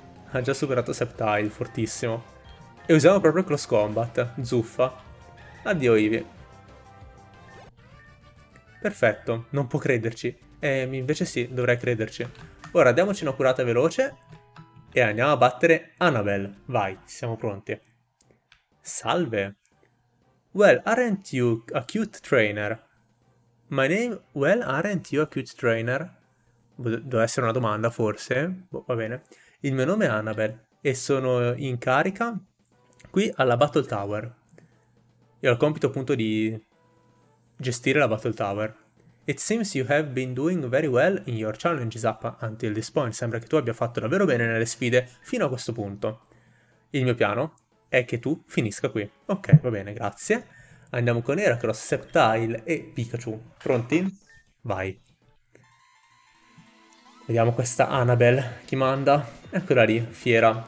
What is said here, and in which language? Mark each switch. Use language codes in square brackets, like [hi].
[it] Ha già superato Sceptile, fortissimo. E usiamo proprio Close Combat, Zuffa. Addio Eevee. Perfetto, non può crederci. Invece sì, dovrei crederci. Ora diamoci una curata veloce e andiamo a battere Annabelle. Vai, siamo pronti. Salve. [en] Well, aren't you a cute trainer? My name. Well, aren't you a cute trainer? [it] Deve essere una domanda, forse. Boh, va bene. Il mio nome è Annabelle e sono in carica qui alla Battle Tower. E ho il compito appunto di gestire la Battle Tower. [en] It seems you have been doing very well in your challenges up until this point. [it] Sembra che tu abbia fatto davvero bene nelle sfide fino a questo punto. Il mio piano è che tu finisca qui. Ok, va bene, grazie. Andiamo con Heracross, Sceptile e Pikachu. Pronti? Vai. Vediamo questa Annabelle. Chi manda? Eccola lì, fiera.